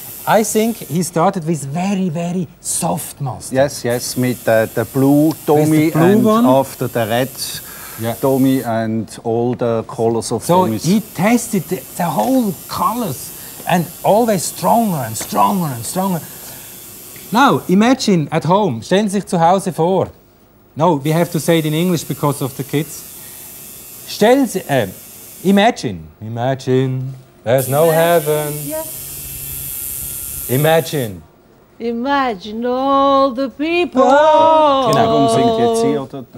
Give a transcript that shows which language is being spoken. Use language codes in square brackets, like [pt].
[en] I think he started with very, very soft Mustard. Yes, yes, with the blue Tommy and one? After the red Tommy and all the colors of Tommy. So he tested the whole colors and always stronger and stronger and stronger. Now, imagine at home, [de] stellen Sie sich zu Hause vor. [en] No, we have to say it in English because of the kids. [de] Stellen Sie, [en] imagine there's no heaven. Yeah. Imagine. Imagine all the people. [de] Genau, warum singt jetzt sie?